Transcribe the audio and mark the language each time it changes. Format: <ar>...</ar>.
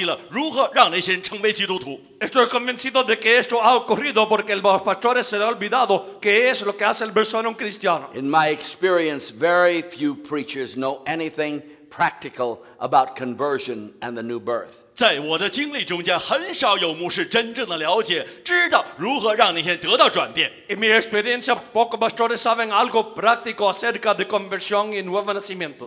<zh>要知道，我相信呢，这种情形之所以来临，就是现今的牧师忘记了如何让那些人成为基督徒。</zh> <es>Estoy convencido de que esto ha ocurrido porque el pastor se le ha olvidado que es lo que hace el persona un cristiano.</es> <en>In my experience, very few preachers know anything practical about conversion and the new birth.</en> <zh>在我的经历中间，很少有牧师真正的了解，知道如何让那些人得到转变。</zh> <es>In mi experiencia, pocos pastores saben algo práctico acerca de conversión y nuevo nacimiento.</es>